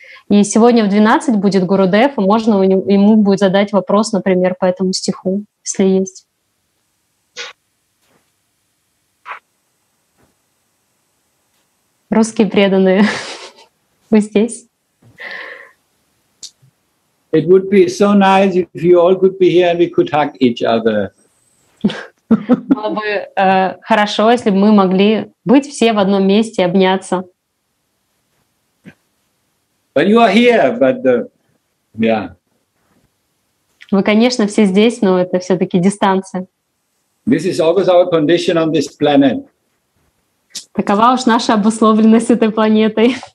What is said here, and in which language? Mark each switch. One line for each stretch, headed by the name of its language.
Russian: И сегодня в 12 будет Гурудев, и можно ему будет задать вопрос, например, по этому стиху, если есть. Русские преданные, вы здесь?
English: It would be so nice if you all could be here and we could hug each other.
Russian: Было бы хорошо, если бы мы могли быть все в одном месте, обняться.
English: But you are here, but yeah.
Russian: Вы, конечно, все здесь, но это все-таки дистанция.
English: This is always our condition on this planet.
Russian: Такова уж наша обусловленность этой планетой.